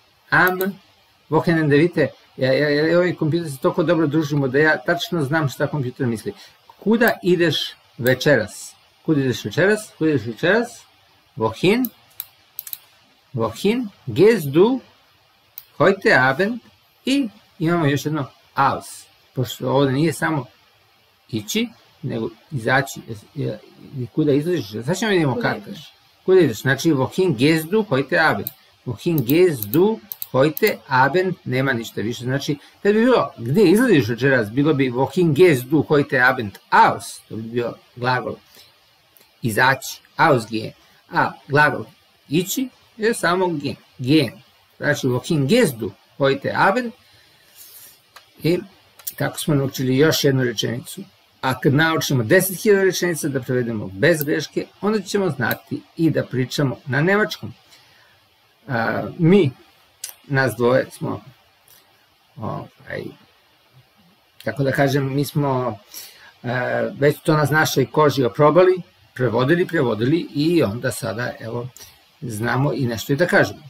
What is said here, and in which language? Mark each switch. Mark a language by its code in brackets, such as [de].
[de] Am Wochenende, [sr] vidite, ja ovaj kompjuter se toliko dobro družimo da ja tačno znam šta kompjuter misli. Kuda ideš večeras? Kuda ideš večeras? Kuda ideš večeras? [de] Wohin? Wohin gehst du heute Abend? [sr] I imamo još jedno aus. Pošto ovde nije samo ići, nego izaći, i kuda izlaziš, sad ćemo vidimo kako ješ. Kuda ideš, znači, [de] wohin gehst du heute Abend? Wohin gehst du heute Abend? [sr] Nema ništa više, znači, kad bi bilo, gde izlaziš večeras, bilo bi [de] wohin gehst du heute Abend aus, [sr] to bi bio glagol izaći, [de] aus gehen, [sr] a glagol ići je samo [de] gehen. [sr] Znači, [de] wohin gehst du heute Abend? [sr] I tako smo naučili još jednu rečenicu. A kad naučimo 10.000 rečenica da prevedemo bez greške, onda ćemo znati i da pričamo na nemačkom. Mi, nas dvoje, smo, tako da kažem, mi smo već to na našoj koži oprobali, prevodili i onda sada, evo, znamo i nešto i da kažemo.